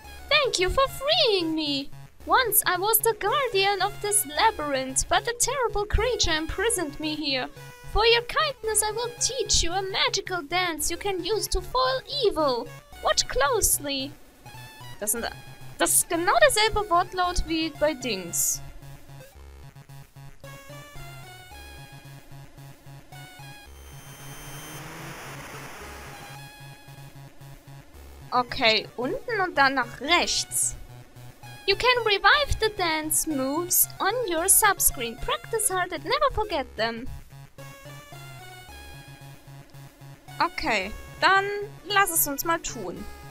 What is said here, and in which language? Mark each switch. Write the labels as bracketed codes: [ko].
[en] Thank you for freeing me. Once I was the guardian of this labyrinth, but a terrible creature imprisoned me here. For your kindness, I will teach you a magical dance you can use to foil evil. Watch closely. [de] Das sind... Das ist genau derselbe Wortlaut wie bei Dings. Okay, unten und dann nach rechts. [en] You can revive the dance moves on your subscreen. Practice hard and never forget them. [de] Okay, dann lass es uns mal tun.